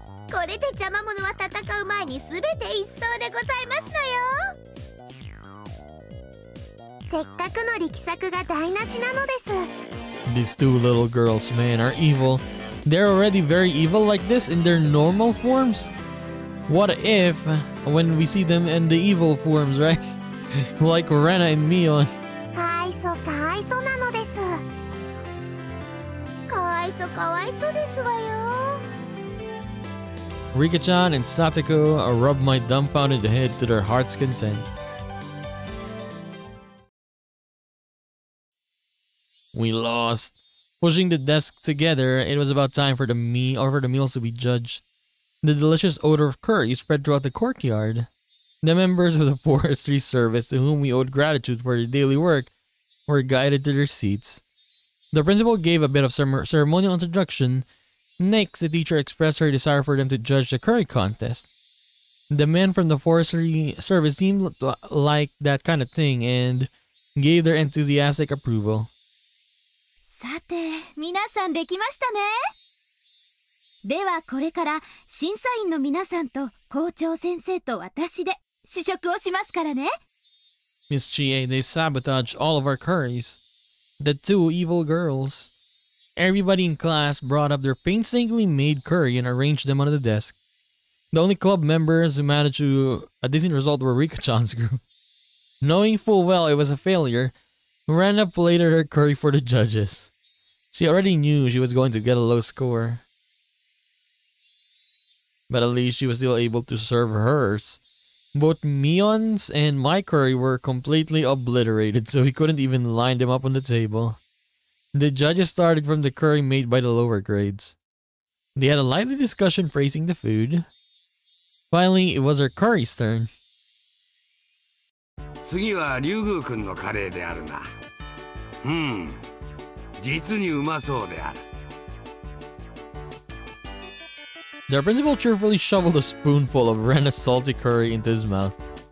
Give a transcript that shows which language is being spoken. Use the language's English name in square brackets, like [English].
[Japanese] これで邪魔者は戦う前にすべて一掃でございますのよ。せっかくの力作が台無しなのです。 [English] These two little girls, man, are evil. They're already very evil like this in their normal forms. What if, when we see them in the evil forms, right? Like Rena and Mion. [Japanese] かわいそなのです。かわいそですわよ。 [English] Rika-chan and Satoko rub my dumbfounded head to their heart's content. We lost. Pushing the desk together, it was about time for the meals to be judged. The delicious odor of curry spread throughout the courtyard. The members of the forestry service, to whom we owed gratitude for their daily work, were guided to their seats. The principal gave a bit of ceremonial introduction. Next, the teacher expressed her desire for them to judge the curry contest. The men from the forestry service seemed to like that kind of thing and gave their enthusiastic approval. [Japanese] さて、皆さんできましたね。ではこれから審査員の皆さんと校長先生と私で試食をしますからね。 [English] Miss Chie, they sabotaged all of our curries. The two evil girls. Everybody in class brought up their painstakingly made curry and arranged them on the desk. The only club members who managed to a decent result were Rika-chan's group. Knowing full well it was a failure, Rena plated her curry for the judges. She already knew she was going to get a low score. But at least she was still able to serve hers. Both Mion's and my curry were completely obliterated, so he couldn't even line them up on the table. The judges started from the curry made by the lower grades. They had a lively discussion praising the food. Finally, it was her curry's turn. [Japanese] 次は龍宮君のカレーであるな。実にうまそうである。 [English] The principal cheerfully shoveled a spoonful of Rena's salty curry into his mouth.